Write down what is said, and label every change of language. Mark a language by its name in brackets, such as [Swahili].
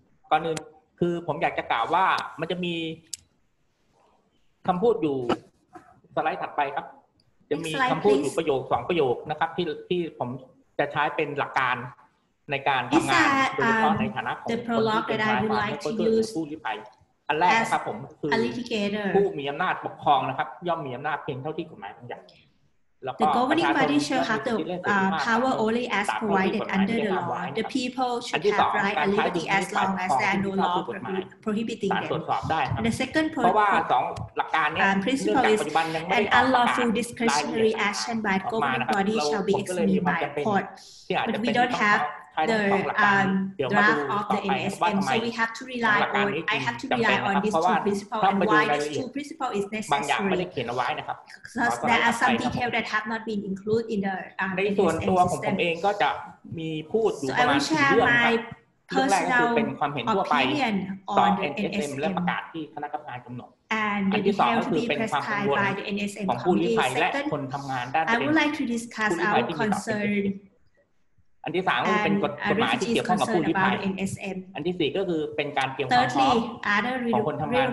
[Thai] ก่อนอื่นคือผมอยากจะกล่าวว่ามันจะมีคำพูดอยู่สไลด์ถัดไปครับจะมีคำพูดอยู่ประโยคสองประโยคนะครับที่ผมจะใช้เป็นหลักการในการทำงานโดยเฉพาะในฐานะของผู้ลี้ภัยความเป็นผู้ลี้ภัยอันแรกนะครับผมคือผู้มีอำนาจปกครองนะครับย่อมมีอำนาจเพียงเท่าที่กฎหมายบัญญัติ [English] The governing body shall have the power only as provided under the law. The people should have right and liberty as long as there are no law prohibiting them. And the second principle is an unlawful discretionary action by governing body shall be examined by court. But we don't have the draft of the NSM, so we have to rely on. I have to rely on these two principles and why these two principles is necessary. Because there are some details that have not been included in the NSM system. So I will share my personal opinion on the NSM and the details to be prescribed by the NSM committee. Second, I would like to discuss our concern. [Thai] อันที่3เป็นกฎหมายที่เกี่ยวข้องกับผู้ลี้ภัยอันที่4ก็คือเป็นการเตรียมความพร้อมของคนทำงาน